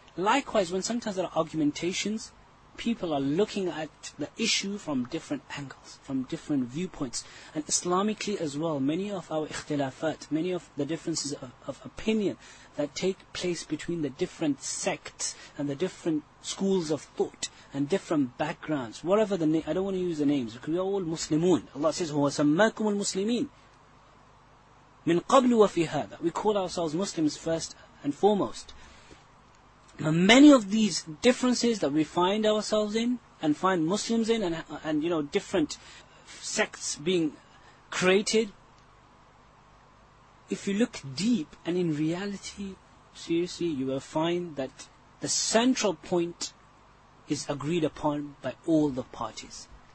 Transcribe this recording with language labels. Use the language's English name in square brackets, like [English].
[English] Likewise, when sometimes there are argumentations, people are looking at the issue from different angles, from different viewpoints. And Islamically as well, many of our ikhtilafat, many of the differences of opinion that take place between the different sects and the different schools of thought and different backgrounds, whatever the name, I don't want to use the names, because we are all Muslimun. Allah says, [Arabic] هُوَ سَمَّاكُمُ الْمُسْلِمِينَ مِنْ قَبْلُ وَفِي هَذَا. [English] We call ourselves Muslims first and foremost. Many of these differences that we find ourselves in and find Muslims in and you know, different sects being created, if you look deep and in reality, seriously, you will find that the central point is agreed upon by all the parties.